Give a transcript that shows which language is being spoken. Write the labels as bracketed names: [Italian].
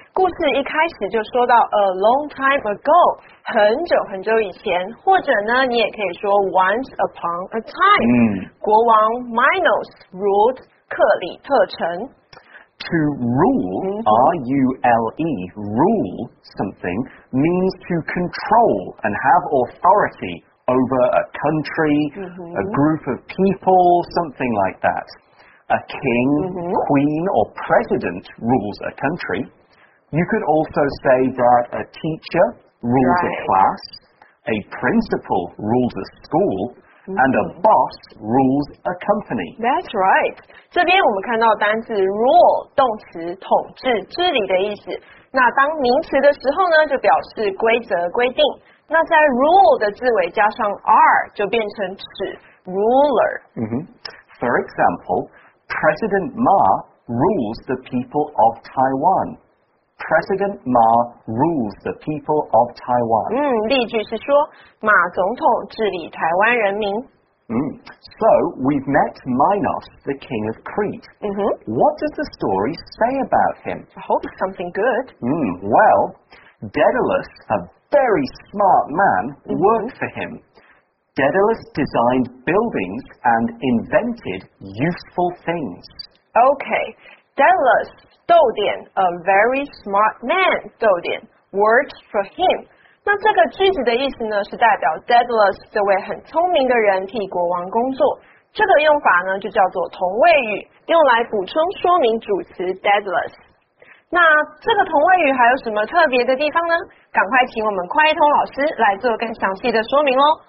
[Chinese] 故事一开始就说到 [English] a long time ago, [Chinese] 很久很久以前，或者呢，你也可以说 [English] once upon a time. [Chinese] 国王 Minos ruled 克里特城。 [English] To rule, R-U-L-E, rule something, means to control and have authority over a country, a group of people, something like that. A king, queen, or president rules a country. You could also say that a teacher rules a class, a principal rules a school, and a boss rules a company. That's right. [Chinese] 这边我们看到单字 rule, 动词统治、治理的意思。那当名词的时候呢，就表示规则、规定。那在 rule 的字尾加上 r, 就变成指 ruler. [English] For example,President Ma rules the people of Taiwan. President Ma rules the people of Taiwan. [Chinese] 例句是说，马总统治理台湾人民。 [English] So we've met Minos, the king of Crete. What does the story say about him? I hope it's something good. Well, Daedalus, a very smart man, worked for him. Daedalus designed buildings and invented useful things. Okay, Daedalus, 逗点, a very smart man, 逗点, worked for him. [Chinese] 那这个句子的意思呢，是代表 Daedalus 这位很聪明的人替国王工作。这个用法呢，就叫做同位语，用来补充说明主词 Daedalus。那这个同位语还有什么特别的地方呢？赶快请我们快一通老师来做更详细的说明哦。